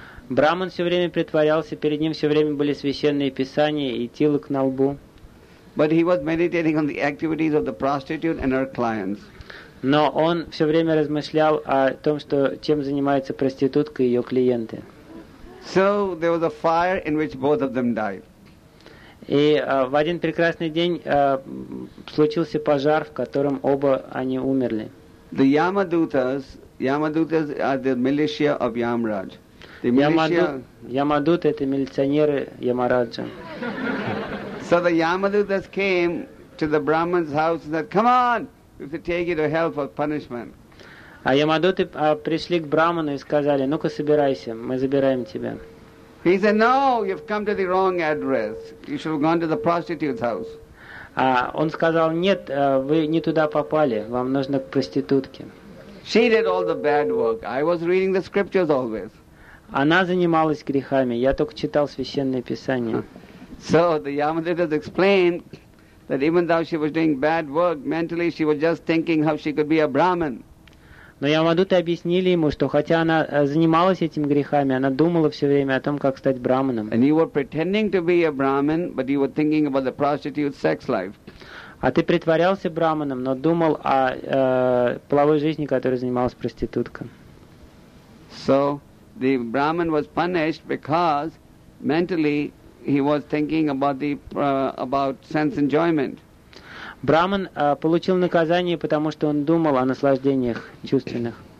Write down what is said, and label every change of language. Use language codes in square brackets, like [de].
[ru] Brahman все время притворялся, перед ним все время были священные писания и тилак на лбу. [en] But he was meditating on the activities of the prostitute and her clients. [ru] Но он все время размышлял о том, что чем занимается проститутка и ее клиенты. [en] So there was a fire in which both of them died. [ru] И в один прекрасный день случился пожар, в котором оба они умерли. [en] The Yamadutas. Yamadutas are the militia of Yamraj. The militia. [ru] Yamadut это милиционеры Ямараджа. [en] So the Yamadutas came to the Brahman's house and said, "Come on, we have to take you to hell for punishment." [ru] А Ямадуты пришли к Брахману и сказали: "Ну-ка собирайся, мы забираем тебя." [en] He said, "No, you've come to the wrong address. You should have gone to the prostitute's house." [ru] А он сказал: "Нет, вы не туда попали. Вам нужно к проститутке." [en] She did all the bad work. I was reading the scriptures always. [ru] Она занималась грехами. Я только читал священные писания. [en] So the Yamadutas explained that even though she was doing bad work, mentally she was just thinking how she could be a Brahman. [ru] Но Ямадуты объяснили ему, что хотя она занималась этими грехами, она думала все время о том, как стать брахманом. [en] And you were pretending to be a Brahman, but you were thinking about the prostitute's sex life. [ru] А ты притворялся брахманом, но думал о половой жизни, которой занималась проститутка. [en] So the Brahman was punished because mentally he was thinking about the about sense enjoyment. [ru] Брахман получил наказание, потому что он думал о наслаждениях чувственных.